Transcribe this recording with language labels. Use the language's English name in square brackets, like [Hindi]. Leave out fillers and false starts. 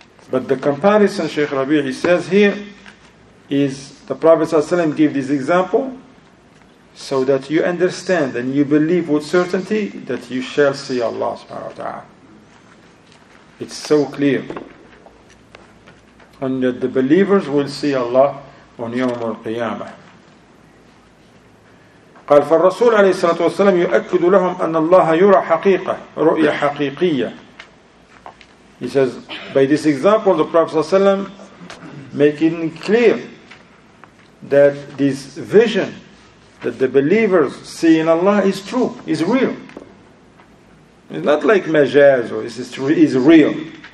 [English] But the comparison, Shaykh Rabi'i says here, is the Prophet ﷺ gave this example so that you understand and you believe with certainty that you shall see Allah subhanahu wa ta'ala. It's so clear. And that the believers will see Allah on Yawm al-Qiyamah. [Arabic] قال فالرسول عليه الصلاة والسلام يؤكد لهم أن الله يرى حقيقة رؤية حقيقية. [English] He says, by this example the Prophet ﷺ making it clear that this vision that the believers see in Allah is true, is real. It's not like majaz, or it's real.